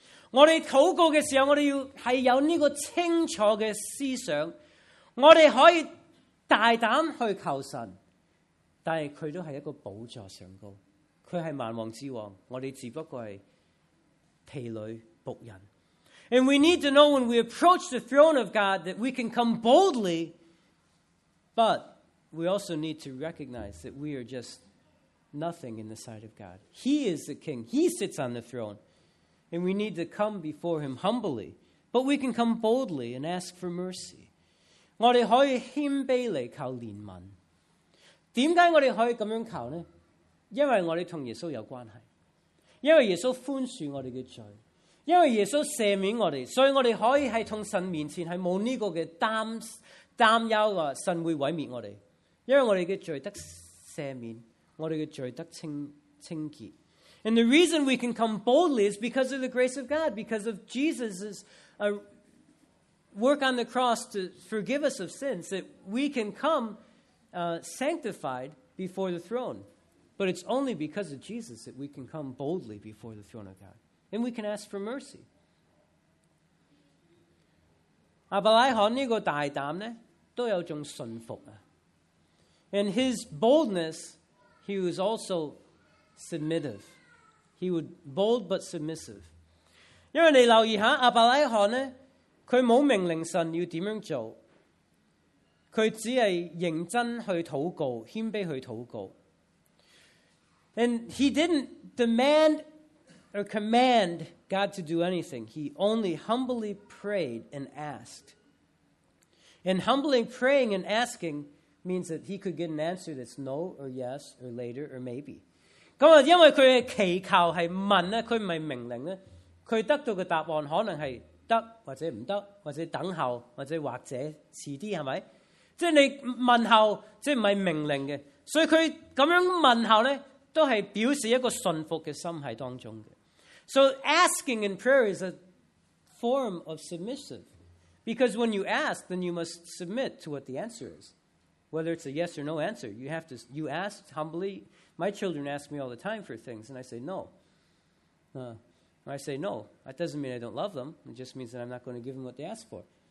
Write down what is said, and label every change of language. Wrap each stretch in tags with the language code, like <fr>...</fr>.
<zh>我们祷告的时候，我们要是有这个清楚的思想，我们可以大胆去求神，但是祂都是一个宝座上高。他是万王之王，我们只不过是婢女仆人。</zh> <en>And we need to know when we approach the throne of God that we can come boldly, but we also need to recognize that we are just nothing in the sight of God. He is the king. He sits on the throne. And we need to come before him humbly, but we can come boldly and ask for mercy.</en> <zh>我们可以谦卑来求怜悯。为什么我们可以这样求呢？因为我们跟耶稣有关系，因为耶稣宽恕我们的罪，因为耶稣赦免我们，所以我们可以在神面前是没有这个 担忧说神会毁灭我们，因为我们的罪得赦免，我们的罪得 清洁。</zh> <en>And the reason we can come boldly is because of the grace of God, because of Jesus' work on the cross to forgive us of sins, that we can come sanctified before the throne. But it's only because of Jesus that we can come boldly before the throne of God. And we can ask for mercy.</en> <zh>亚伯拉罕这个大胆呢，都有种顺服啊。</zh> <en>In his boldness, he was also submissive. He was bold but submissive.</en> <zh>因为你留意一下，亚伯拉罕呢，他没有命令神要怎样做。他只是认真去祷告，谦卑去祷告。</zh> <en>And he didn't demand or command God to do anything. He only humbly prayed and asked. And humbly praying and asking means that he could get an answer that's no or yes or later or maybe.</en> <zh>因为他的祈求是问，他不是命令，他得到的答案可能是得或者不得，或者等候，或者或者迟些，是不是？即是你问候，即是不是命令的，所以他这样问候呢，都是表示一个信服的心在当中的。</zh> <en>So asking and prayer is a form of submissive. Because when you ask, then you must submit to what the answer is. Whether it's a yes or no answer, you have to, you ask humbly. My children ask me all the time for things, and I say no. I say no. That doesn't mean I don't love them. It just means that I'm not going to give them what they ask for.</en>